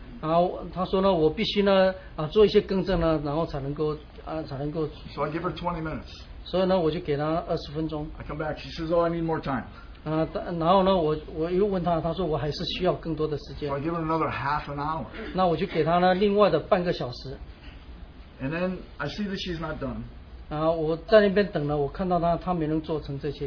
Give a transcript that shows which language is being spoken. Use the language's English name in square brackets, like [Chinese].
[Chinese] 然后她说呢，我必须呢做一些更正呢，然后才能够。 [English] So I give her 20 minutes. [Chinese] 所以呢，我就给她20分钟。 [English] I come back. She says, "Oh, I need more time." [Chinese] 然后呢，我又问她，她说我还是需要更多的时间。 [English] So I give her another half an hour. [Chinese] 那我就给她呢另外的半个小时。 [English] And then I see that she's not done. [Chinese] 然后我在那边等了，我看到她没能做成这些。